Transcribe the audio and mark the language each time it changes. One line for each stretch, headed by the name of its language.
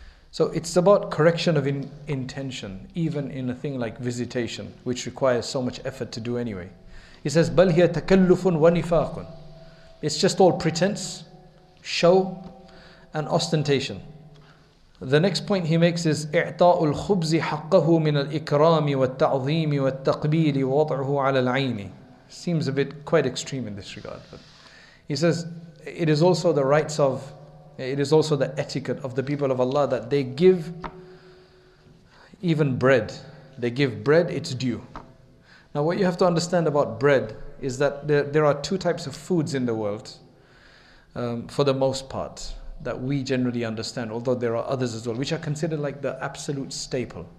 English: So it's about correction of intention, even in a thing like visitation, which requires so much effort to do anyway. He says,
Arabic: بَلْ هِيَ تَكَلُّفٌ وَنِفَاقٌ,
English: it's just all pretense, show and ostentation. The next point he makes is
Arabic: اِعْطَاءُ الْخُبْزِ حَقَّهُ مِنَ الْإِكْرَامِ وَالتَّعْظِيمِ وَالتَّقْبِيلِ وَوَضْعُهُ عَلَى الْعَيْنِ.
English: Seems a bit quite extreme in this regard, but he says it is also the rights of, it is also the etiquette of the people of Allah that they give even bread. They give bread its due. Now what you have to understand about bread is that there are two types of foods in the world, for the most part, that we generally understand, although there are others as well, which are considered like the absolute staple.